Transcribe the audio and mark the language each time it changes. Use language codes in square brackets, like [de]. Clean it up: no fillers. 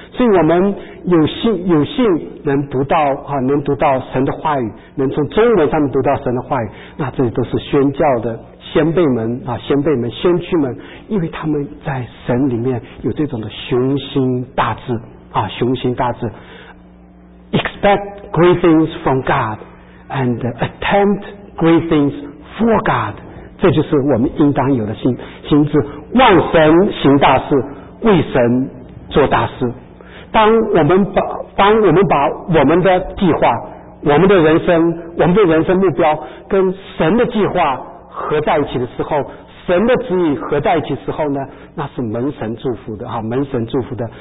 [zh] 所以我们有幸能读到哈，能读到神的话语，能从中文上面读到神的话语，那这都是宣教的先辈们啊，先辈们、先驱们，因为他们在神里面有这种的雄心大志啊，雄心大志。 [en] Expect great things from God and attempt great things for God。 [zh] 这就是我们应当有的心志，望神行大事，为神做大事。当我们把我们的计划、我们的人生、我们的人生目标跟神的计划合在一起的时候，神的旨意合在一起的时候呢，那是蒙神祝福的啊，蒙神祝福的。